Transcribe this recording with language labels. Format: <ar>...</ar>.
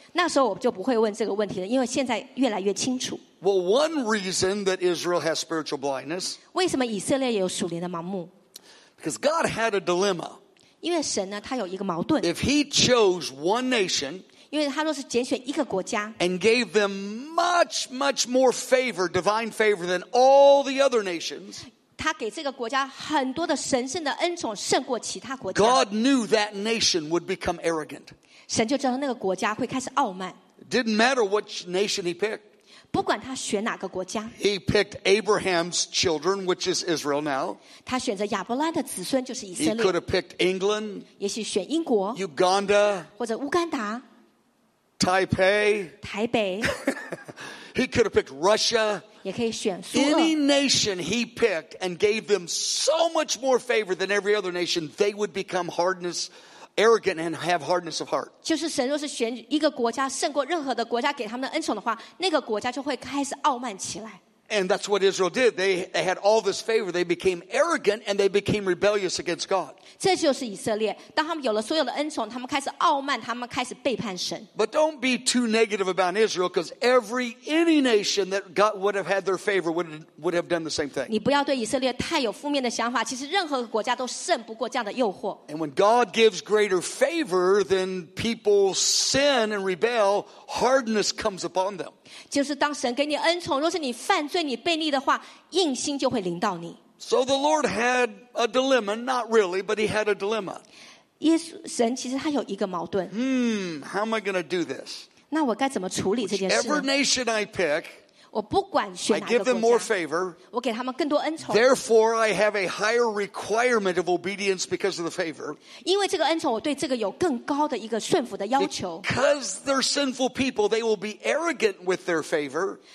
<zh>那时候我就不会问这个问题了，因为现在越来越清楚。</zh> <en>Well, one reason that Israel has spiritual blindness.</en> <zh>为什么以色列也有属灵的盲目？</zh> <en>Because God had a dilemma.</en> <zh>因为神呢，他有一个矛盾。</zh> <en>If he chose one nation,</en> <zh>因为他若是拣选一个国家</zh> <en>and gave them much, much more favor, divine favor than all the other nations,</en> <zh>他给这个国家很多的神圣的恩宠胜过其他国家。</zh> <en>God knew that nation would become arrogant.</en> <zh>神就知道那个国家会开始傲慢。</zh> <en>Didn't matter which nation he picked.</en> <zh>不管他选哪个国家。</zh> <en>He picked Abraham's children, which is Israel now.</en> <zh>他选择亚伯拉的子孙就是以色列。</zh> <en>He could have picked England.</en> <zh>也许选英国。</zh> <en>Uganda.</en> <zh>或者乌干达。</zh> <en>Taipei.</en> <zh>台北。</zh> <en>He could have picked Russia.</en> <zh>也可以选苏俄。</zh> <en>Any nation he picked and gave them so much more favor than every other nation, they would become hardness. Arrogant and have hardness of heart.</en> <zh>就是神若是选一个国家胜过任何的国家给他们的恩宠的话，那个国家就会开始傲慢起来。</zh> <en>And that's what Israel did. They had all this favor. They became arrogant and they became rebellious against God.</en> <zh>这就是以色列。当他们有了所有的恩宠，他们开始傲慢，他们开始背叛神。</zh> <en>But don't be too negative about Israel, because any nation that God would have had their favor would have done the same thing.</en> <zh>你不要对以色列太有负面的想法。其实任何国家都胜不过这样的诱惑。</zh> <en>And when God gives greater favor than people sin and rebel, hardness comes upon them.</en> <zh>就是当神给你恩宠，若是你犯罪、你悖逆的话，硬心就会临到你。</zh> <en>So the Lord had a dilemma, not really, but he had a dilemma.</en> <zh>耶稣神其实他有一个矛盾。</zh> <en>How am I going to do this?</en> <zh>那我该怎么处理这件事呢？</zh> <en>Every nation I pick,</en> <zh>我不管选哪个国家，</zh> <en>I give them more favor.</en> <zh>我给他们更多恩宠。</zh> <en>Therefore, I have a higher requirement of obedience because of the favor.</en> <zh>因为这个恩宠，我对这个有更高的一个顺服的要求。</zh> <en>Because they're sinful people, they will be arrogant with their favor.</en>